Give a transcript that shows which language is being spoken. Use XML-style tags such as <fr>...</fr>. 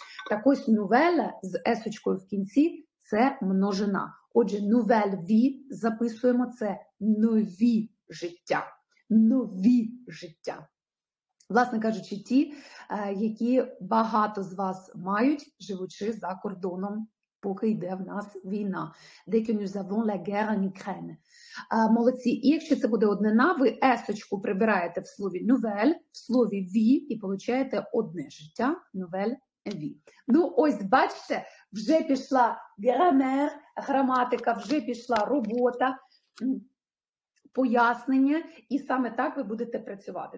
<uk>Так ось «нувеля» з есочкою в кінці – це множина. Отже, «нувель-ві» записуємо – це «нові життя». «Нові життя». Власне кажучи, ті, які багато з вас мають, живучи за кордоном, поки йде в нас війна. Деякі</uk> <fr>nous avons la guerre en Ukraine.</fr> <uk>Молодці. І якщо це буде однина, ви есочку прибираєте в слові «нувель», в слові «ві» і получаєте одне життя «нувель-ві». Ну ось, бачите, вже пішла grammar, граматика, вже пішла робота, пояснення, і саме так ви будете працювати.</uk>